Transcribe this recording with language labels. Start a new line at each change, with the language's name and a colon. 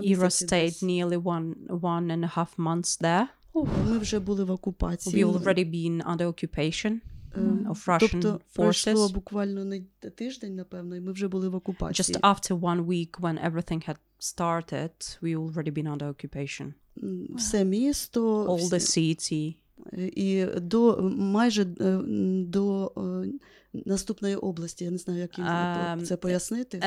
English: Ira stayed nearly one and a half months there.
Ukrainian: Ми вже були в окупації.
English: We already been under occupation of Russian forces.
Ukrainian: Тобто, пройшло буквально не тиждень, напевно, і ми вже були в окупації.
English: Just after one week when everything had started, we already been under occupation.
Ukrainian: Все місто,
English: all the city.
Ukrainian: І до майже до наступної області, я не знаю, як це пояснити.